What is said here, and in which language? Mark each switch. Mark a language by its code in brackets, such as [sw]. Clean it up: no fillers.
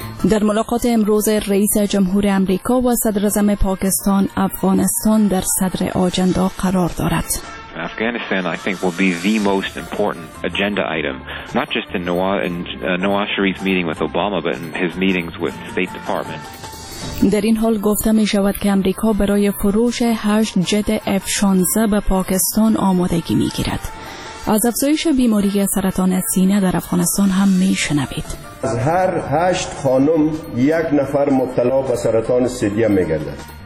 [fa] در ملاقات امروز رئیس جمهور آمریکا و صدر اعظم پاکستان، افغانستان در صدر آجندا قرار دارد. [en] Afghanistan, I think, will be the most important agenda item, not just in Nawaz Sharif's meeting with Obama, but in his meetings with State Department. [fa] در این حال گفته می شود که آمریکا برای فروش 8 جت F-16 به پاکستان آمادگی می گیرد. از افزایش بیماری سرطان سینه در افغانستان هم می شنوید. از هر 8 خانم یک نفر مبتلا به سرطان سینه می گردد.